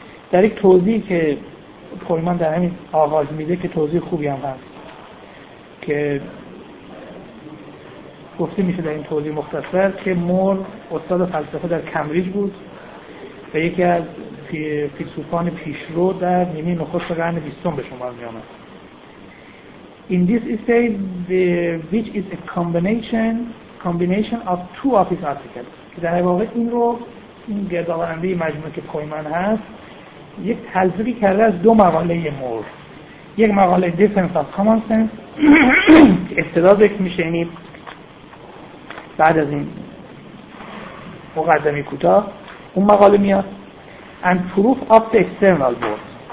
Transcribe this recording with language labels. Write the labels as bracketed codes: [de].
[fa] در یک توضیح که پویمن در همین آغاز میده که توضیح خوبی هم هست که گفته میشه در این توضیح مختصر، که مور استاد فلسفه در کمبریج بود و یکی از فیلسوفان پیشرو در نیمه نخست قرن بیستم به شمار میآمد. [en] In this essay, which is a combination of two of his articles. [fa] که در واقع این رو، این گردآورنده مجموعه که پویمن هست، یک تلفیقی کرده از دو مقاله مور. یک مقاله Defense of Common Sense استدلال میشه، یعنی بعد از این مقدمه کوتاه اون مقاله میاد، [en] and proof of the external world.